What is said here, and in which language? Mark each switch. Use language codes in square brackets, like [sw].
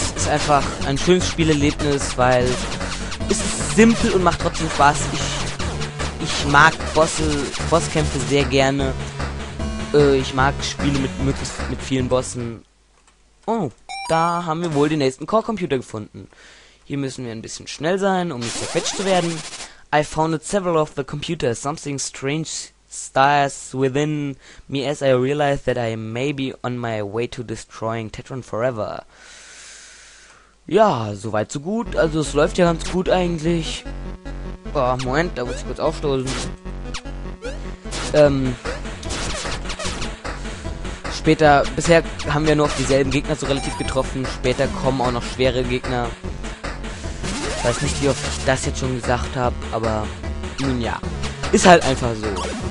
[de] Einfach ein schönes Spielerlebnis, weil es ist simpel und macht trotzdem Spaß. Ich mag Bosskämpfe sehr gerne. Ich mag Spiele mit vielen Bossen. Oh, da haben wir wohl den nächsten Core-Computer gefunden. Hier müssen wir ein bisschen schnell sein, um nicht zerquetscht zu werden. [en] I found several of the computers. Something strange stirs within me as I realize that I may be on my way to destroying Tetron forever. [de] Ja, soweit so gut. Also es läuft ja ganz gut eigentlich. Oh, Moment, da muss ich kurz aufstoßen. Später, bisher haben wir nur auf dieselben Gegner so relativ getroffen. Später kommen auch noch schwere Gegner. Ich weiß nicht, wie oft ich das jetzt schon gesagt habe, aber nun ja. Ist halt einfach so.